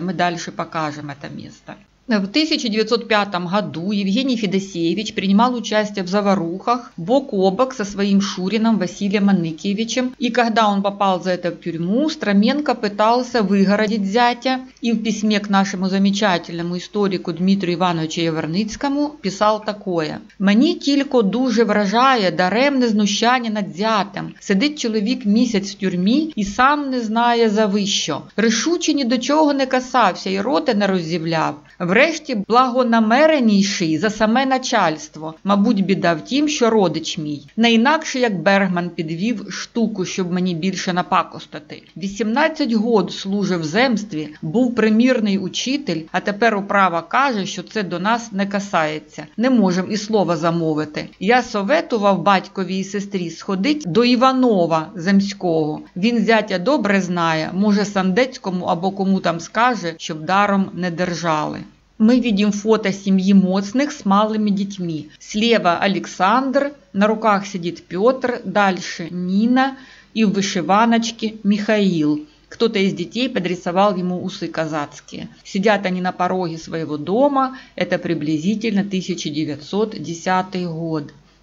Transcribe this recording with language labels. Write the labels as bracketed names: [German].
[Russian] Мы дальше покажем это место. В 1905 году Евгений Федосеевич принимал участие в заварухах бок о бок со своим шурином Василием Аникиевичем. И когда он попал за это в тюрьму, Строменко пытался выгородить зятя. И в письме к нашему замечательному историку Дмитрию Ивановичу Яворницкому писал такое. [Ukrainian] «Мені тільки дуже вражає даремне знущання над зятем. Сидить чоловік місяць в тюрмі і сам не знає завищо. Рішуче ні до чого не касався і роти не роззявляв. Врешті благонамереніший за саме начальство, мабуть, біда в тім, що родич мій. Не інакше, як Бергман підвів штуку, щоб мені більше напакостити. 18 год служив в земстві, був примірний учитель, а тепер управа каже, що це до нас не касається. Не можем і слова замовити. Я советував батькові і сестрі сходить до Іванова земського. Він зятя добре знає, може Сандецькому або кому там скаже, щоб даром не держали». [Russian] Мы видим фото семьи Моцных с малыми детьми. Слева Александр, на руках сидит Петр, дальше Нина и в вышиваночке Михаил. Кто-то из детей подрисовал ему усы казацкие. Сидят они на пороге своего дома, это приблизительно 1910 год.